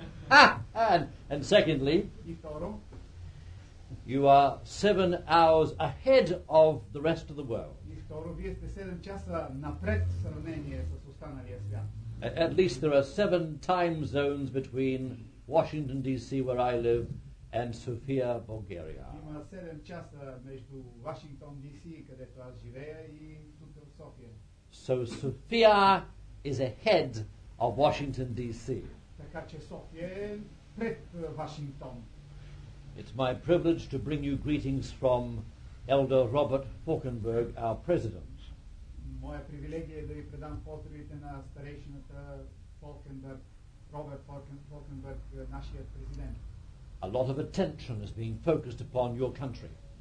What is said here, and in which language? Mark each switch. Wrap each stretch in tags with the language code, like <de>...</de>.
<en>And secondly, you are 7 hours ahead of the rest of the world.</en> <bg>И второ, вие сте 7 часа напред в сравнение с останалия свят.</bg> <en>At least there are 7 time zones between Washington DC, where I live, and Sofia, Bulgaria.</en> <bg>Има 7 часа между Washington DC, където аз живея, и тук в София.</bg> <en>So Sofia is ahead of Washington DC.</en> <bg>Така че София е пред Вашингтон.</bg> <en>It's my privilege to bring you greetings from Elder Robert Falkenberg, our president.</en> <bg>Моя привилегия е да ви предам поздравите на старейшината Falkenberg, Robert Falkenberg, нашият президент.</bg> <en>A lot of attention is being focused upon your country.</en>